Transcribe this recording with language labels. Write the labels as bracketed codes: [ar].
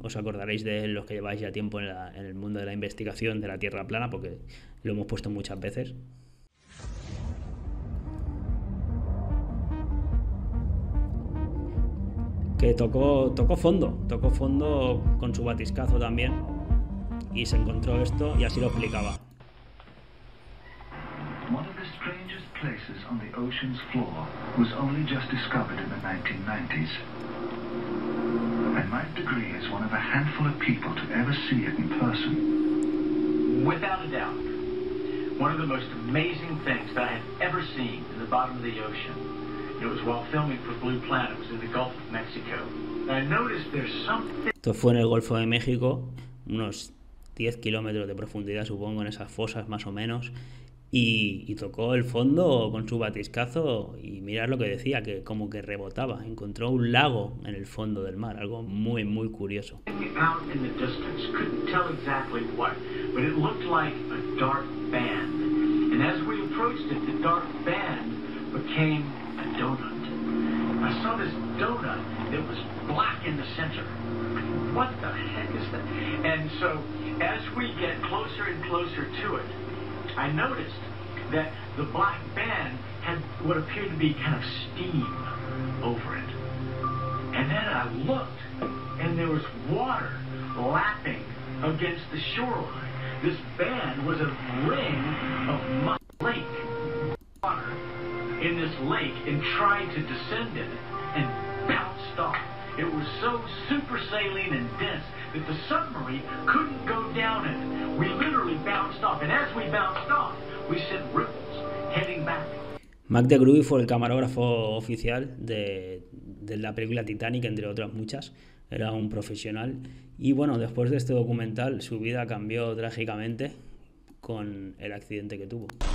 [es] Os acordaréis de él, los que lleváis ya tiempo en el mundo de la investigación de la Tierra plana, porque lo hemos puesto muchas veces. Que tocó fondo con su batiscazo también, y se encontró esto y así lo explicaba. [en] One of the strangest places on the ocean's floor was only just discovered in the 1990s. And Mike de Gruy is one of a handful of people to ever see it in person. Without a doubt, one of the most amazing things that I have ever seen in the bottom of the ocean. It was while filming for Blue Planet, it was in the Gulf of Mexico. I noticed there's something. [es] Esto fue en el Golfo de México, unos 10 kilómetros de profundidad, supongo, en esas fosas más o menos. Y tocó el fondo con su batiscazo y mirad lo que decía, que como que rebotaba. Encontró un lago en el fondo del mar, algo muy, muy curioso. [en] Out in the distance, couldn't tell exactly what, but it looked like a dark band. And as we approached it, the dark band became a donut. I saw this donut, it was black in the center. What the heck is that? And so, as we get closer and closer to it, I noticed that the black band had what appeared to be kind of steam over it. And then I looked, and there was water lapping against the shoreline. This band was a ring of muddy lake. Water in this lake, and tried to descend it and bounced off. It was so super saline and dense that the submarine couldn't go down it. We literally bounced off, and as we bounced off, we sent ripples heading back. [es] Mac de Gruy fue el camarógrafo oficial de la película Titanic, entre otras muchas. Era un profesional. Y bueno, después de este documental, su vida cambió trágicamente con el accidente que tuvo.